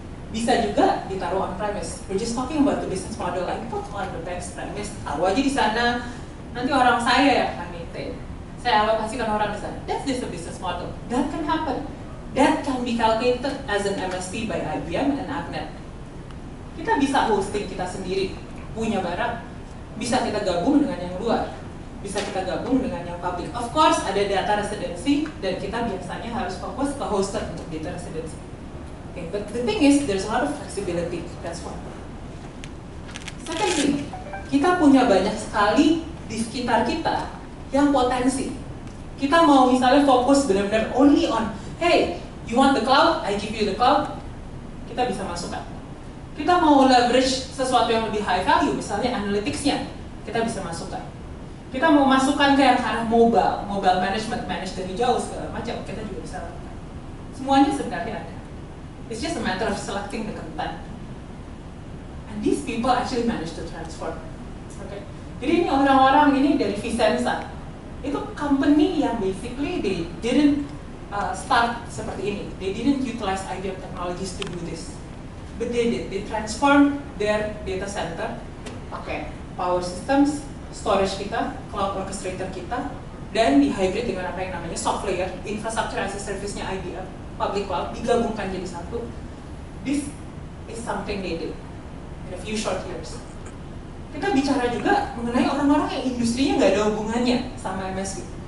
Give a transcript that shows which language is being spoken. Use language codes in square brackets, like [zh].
[id] Bisa juga ditaruh on-premise. [en] We're just talking about the business model, like put on the best premise, [id] taruh aja di sana, nanti orang saya yang akan maintain. Saya alokasikan orang di sana. [en] That's just a business model. That can happen. That can be calculated as an MSP by IBM and Avnet. [id] Kita bisa hosting kita sendiri, punya barang. Bisa kita gabung dengan yang luar. Bisa kita gabung dengan yang public. Of course, ada data residency, dan kita biasanya harus fokus ke hoster untuk data residency. [en] Okay, but the thing is, there's a lot of flexibility. That's one. Second thing, [id] kita punya banyak sekali di sekitar kita yang potensi. Kita mau misalnya fokus benar-benar [en] only on, hey, you want the cloud? [id] I give you the cloud. Kita bisa masukkan. Kita mau leverage sesuatu yang lebih high value, misalnya analytics-nya. Kita bisa masukkan. Kita mau masukkan ke yang arah mobile, mobile management, manage dari jauh, segala macam. Kita juga bisa lakukan. Semuanya sebenarnya ada. [en] It's just a matter of selecting the content. And these people actually manage to transform. Okay. [id] Jadi ini orang-orang ini dari Visensa. Itu company yang [en] basically they didn't [id] start seperti ini. [en] They didn't utilize IBM technologies to do this. But they did. They transformed their data center [id] pakai power systems, storage kita, cloud orchestrator kita, dan di hybrid dengan apa yang namanya [en] soft layer, infrastructure as a service-nya IBM, public cloud, [id] digabungkan jadi satu. [en] This is something they did in a few short years. [id] Kita bicara juga mengenai orang-orang yang industrinya nggak ada hubungannya sama MSP.